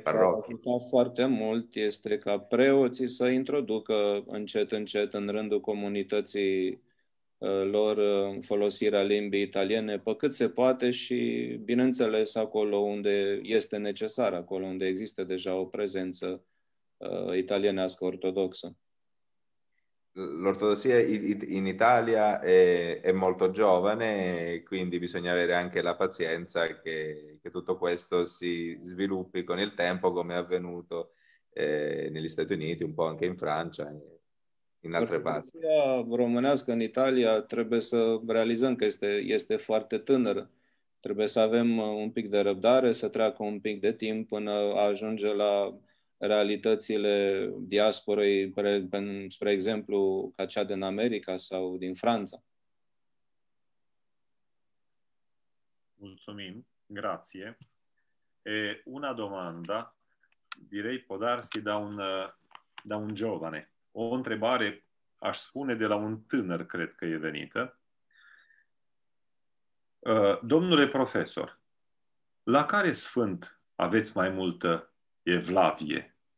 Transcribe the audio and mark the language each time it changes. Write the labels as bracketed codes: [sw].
[ro] Ce a ajutat foarte mult este ca preoții să introducă încet încet în rândul comunității lor folosirea limbii italiene pe cât se poate și, bineînțeles, acolo unde este necesar, acolo unde există deja o prezență italienească ortodoxă. [it] L'ortodossia in Italia è molto giovane, quindi bisogna avere anche la pazienza che tutto questo si sviluppi con il tempo, come è avvenuto negli Stati Uniti, un po' anche in Francia, in altre parti. [ro] L'ortodossia românească in Italia trebuie să realizăm că este foarte tânără. Trebuie să avem un pic de răbdare, să treacă un pic de timp până ajunge la realitățile diasporei, spre exemplu, ca cea din America sau din Franța. Mulțumim, [it] grazie. E una domanda, direi, può darsi da un giovane. [ro] O întrebare, aș spune, de la un tânăr, cred că e venită. Domnule profesor, la care sfânt aveți mai multă evlavie?